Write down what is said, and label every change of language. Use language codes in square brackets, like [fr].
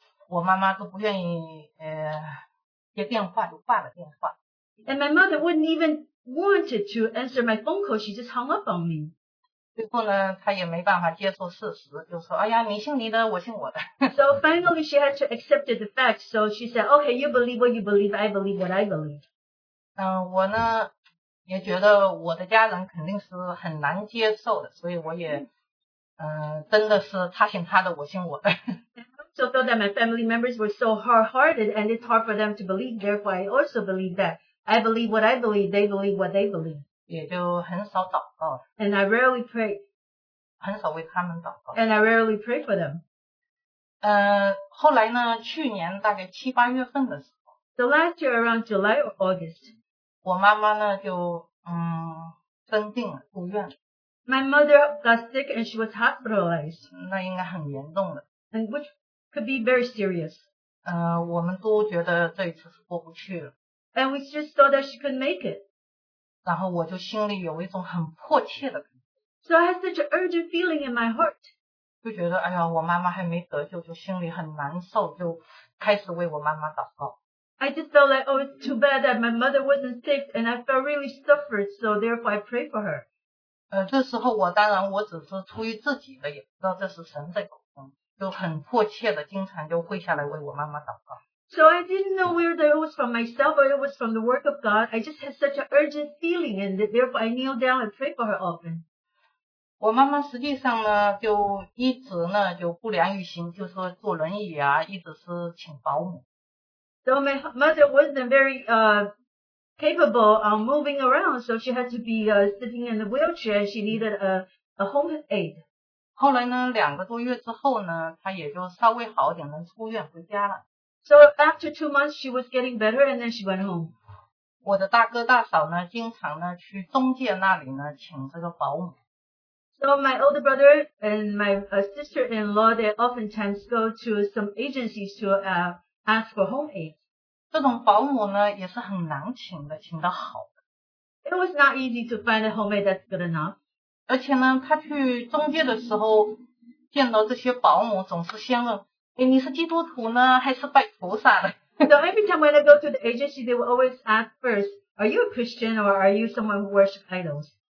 [zh] 我妈妈都不愿意接电话就挂了电话。 [en] And my mother wouldn't even want to answer my phone call, she just hung up on me. [zh] 最后呢她也没办法接受事实就说哎呀你信你的我信我的。 [en] So finally she had to accept the fact, so she said, okay, you believe what you believe, I believe what I believe. [zh] 我呢也觉得我的家人肯定是很难接受的所以我也真的是他信他的我信我的。 [en] So I felt that my family members were so hard-hearted and it's hard for them to believe, therefore I also believe that I believe what I believe, they believe what they believe. [zh] 也就很少祷告 [en] And I rarely pray. [zh] 很少为他们祷告 [en] And I rarely pray for them. [zh] 后来呢去年大概七八月份的时候 [en] So last year around July or August. [zh] 我妈妈呢就生病了住院了 [en] My mother got sick and she was hospitalized. [zh] 那应该很严重的 [en] And which could be very serious. [zh] 我们都觉得这一次是过不去了 [en] And we just thought that she couldn't make it. [zh] 然后我就心里有一种很迫切的感觉。 [en] So I had such an urgent feeling in my heart. [zh] 就觉得哎呀我妈妈还没得救就心里很难受就开始为我妈妈祷告。 [en] I just felt like, oh, it's too bad that my mother wasn't sick and I felt really suffered, so therefore I pray for her. [zh] 这时候我当然我只是出于自己的也不知道这是神在口中就很迫切的经常就跪下来为我妈妈祷告。 [en] So I didn't know whether it was from myself or it was from the work of God. I just had such an urgent feeling and therefore I kneeled down and prayed for her often. [zh] 我妈妈实际上呢就一直呢就不良于行就是坐轮椅啊一直是请保姆。 [en] So my mother wasn't very capable of moving around so she had to be sitting in the wheelchair. She needed a home aid. [zh] 后来呢两个多月之后呢她也就稍微好点能出院回家了。 [en] So after 2 months, she was getting better, and then she went home. [zh] 我的大哥大嫂呢，经常呢去中介那里呢请这个保姆。 [en] So So my older brother and my sister-in-law, they oftentimes go to some agencies to ask for home aid. [zh] 这种保姆呢也是很难请的，请得好的。 [en] It was not easy to find a home aid that's good enough. [zh] 而且呢，他去中介的时候见到这些保姆总是先问，哎，你是基督徒呢还是拜菩萨的？ [en] So every time when I go to the agency, they will always ask first, are you a Christian or are you someone who worships idols?